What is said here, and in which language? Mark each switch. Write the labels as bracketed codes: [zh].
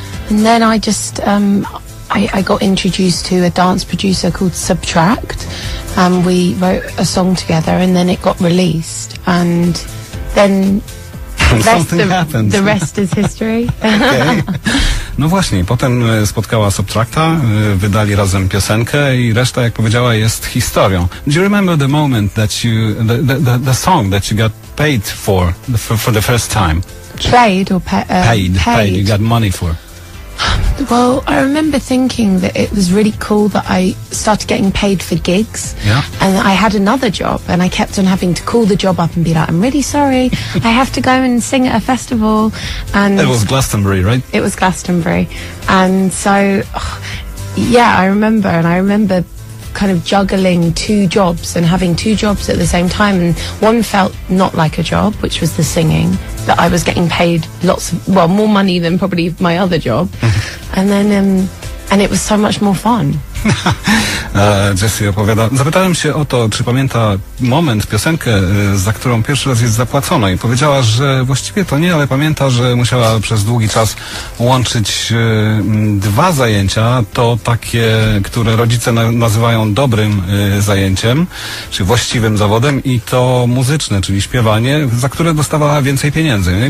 [en] And then I just, I got introduced to a dance producer called Subtract, and we wrote a song together, and then it got released, and then the rest is history. [pl] No właśnie, potem spotkała Subtracta, wydali razem piosenkę i reszta, jak powiedziała, jest historią. [en] Do you remember the moment that you, the song that you got paid for the first time? Played or paid, you got money for. Well, I remember thinking that it was really cool that I started getting paid for gigs. Yeah. And I had another job and I kept on having to call the job up and be like, I'm really sorry, I have to go and sing at a festival. And it was Glastonbury, right? It was Glastonbury. And so, I remember kind of juggling two jobs and having two jobs at the same time. And one felt not like a job, which was the singing, that I was getting paid more money than probably my other job. And it was so much more fun. [pl] Jesse opowiada. Zapytałem się o to, czy pamięta moment, piosenkę, za którą pierwszy raz jest zapłacona, i powiedziała, że właściwie to nie, ale pamięta, że musiała przez długi czas łączyć dwa zajęcia, to takie, które rodzice nazywają dobrym zajęciem, czy właściwym zawodem, i to muzyczne, czyli śpiewanie, za które dostawała więcej pieniędzy.